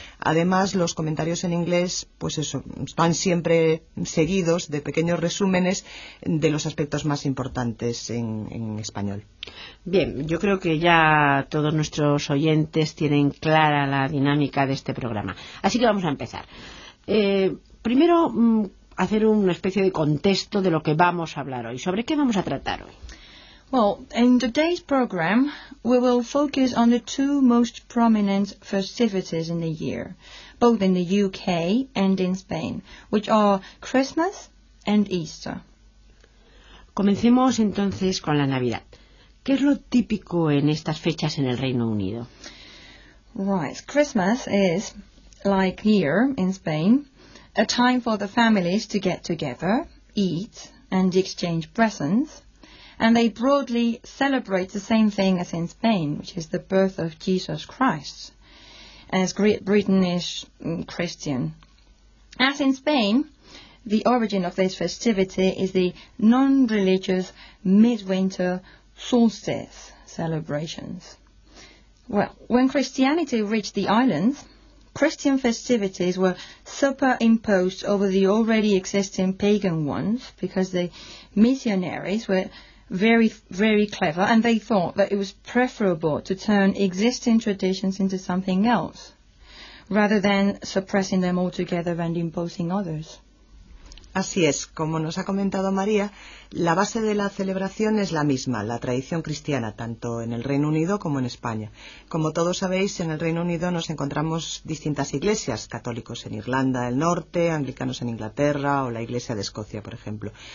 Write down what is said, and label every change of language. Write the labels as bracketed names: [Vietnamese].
[Spanish] Además, los comentarios en inglés, pues eso, van siempre seguidos de pequeños resúmenes de los aspectos más importantes en español. Bien, yo creo que ya todos nuestros oyentes tienen clara la dinámica de este programa. Así que vamos a empezar. Primero, hacer una especie de contexto de lo que vamos a hablar hoy. ¿Sobre qué vamos a tratar hoy? [English] Well, in today's program, we will focus on the two most prominent festivities in the year, both in the UK and in Spain, which are Christmas and Easter. [Spanish] Comencemos entonces con la Navidad. ¿Qué es lo típico en estas fechas en el Reino Unido? [English] Right, Christmas is, like here in Spain, a time for the families to get together, eat, and exchange presents. And they broadly celebrate the same thing as in Spain, which is the birth of Jesus Christ, as Great Britain is Christian. As in Spain, the origin of this festivity is the non-religious midwinter solstice celebrations. Well, when Christianity reached the islands, Christian festivities were superimposed over the already existing pagan ones because the missionaries were very, very clever and they thought that it was preferable to turn existing traditions into something else rather than suppressing them altogether and imposing others. [Spanish] Así es, como nos ha comentado María, la base de la celebración es la misma, la tradición cristiana, tanto en el Reino Unido como en España. Como todos sabéis, en el Reino Unido nos encontramos distintas iglesias, católicos en Irlanda del Norte, anglicanos en Inglaterra o la Iglesia de Escocia, por ejemplo.